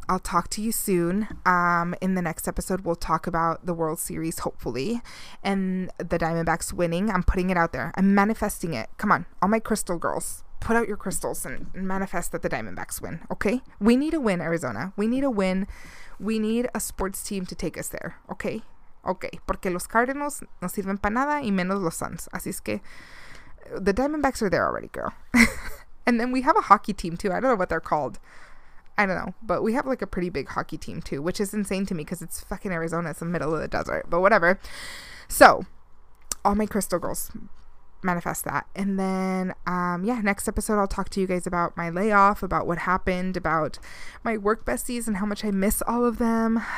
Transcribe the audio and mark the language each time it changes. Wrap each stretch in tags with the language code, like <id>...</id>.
<en>I'll talk to you soon. In the next episode, we'll talk about the World Series, hopefully, and the Diamondbacks winning. I'm putting it out there. I'm manifesting it. Come on, all my crystal girls, put out your crystals and manifest that the Diamondbacks win, okay? We need a win, Arizona. We need a win. We need a sports team to take us there, okay?</en> <es>Okay, porque los Cardinals no sirven para nada y menos los Suns. Así es que</es> <en>the Diamondbacks are there already, girl. And then we have a hockey team, too. I don't know what they're called. I don't know. But we have, like, a pretty big hockey team, too, which is insane to me because it's fucking Arizona. It's the middle of the desert. But whatever. So, all my crystal girls, manifest that. And then next episode I'll talk to you guys about my layoff, about what happened, about my work besties and how much I miss all of them.</en>